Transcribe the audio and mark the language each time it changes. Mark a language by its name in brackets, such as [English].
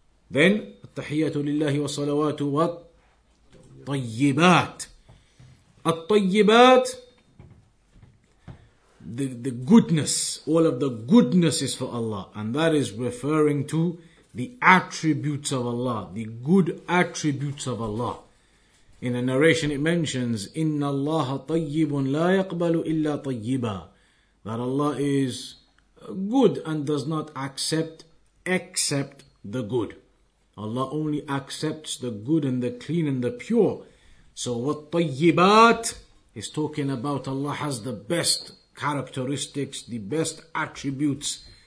[English] Then, [Arabic] attahiyyatu lillahi wassalawatu wa tayyibat. [English] At-tayyibat, the goodness, all of the goodness is for Allah. And that is referring to the attributes of Allah, the good attributes of Allah. [Arabic] In a narration it mentions, إِنَّ اللَّهَ طَيِّبٌ لَا يَقْبَلُ إِلَّا طَيِّبًا. [English] That Allah is good and does not accept except the good. Allah only accepts the good and the clean and the pure. So what tayyibat is talking about, Allah has the best characteristics, the best attributes.